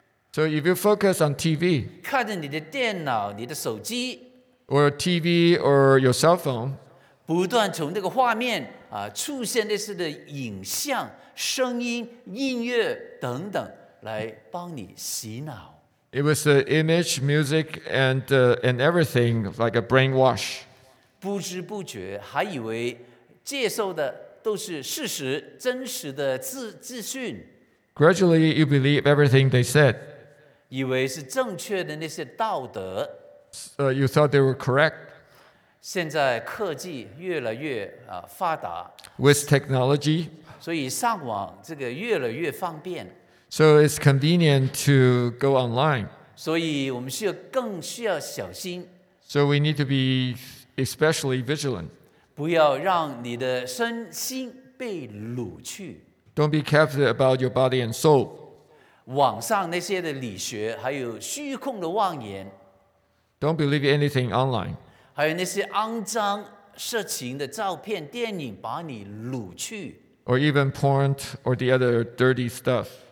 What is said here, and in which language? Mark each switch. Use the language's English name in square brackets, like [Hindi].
[English] So if you focus on TV [Chinese] 看着你的电脑你的手机 [English] Or TV or your cell phone [Chinese] 不断从那个画面出现那些的影像声音音乐等等来帮你洗脑 [English] It was the image, music and everything like a brainwash [Chinese] 不知不觉还以为接受的都是事实真实的资讯 [English] Gradually you believe everything they said [Chinese] 以为是正确的那些道德 [English] You thought they were correct [Chinese] 现在科技越来越发达 [English] With technology [Chinese] 所以上网这个越来越方便 [English] So it's convenient to go online [Chinese] 所以我们更需要小心 [English] So we need to be especially vigilant [Chinese] 不要让你的身心被掳去。 [English] Don't be captive about your body and soul. [Chinese] 网上那些的理学，还有虚空的妄言。 [English] Don't believe anything online. [Chinese] 还有那些肮脏色情的照片、电影，把你掳去。 [English] Or even porn or the other dirty stuff.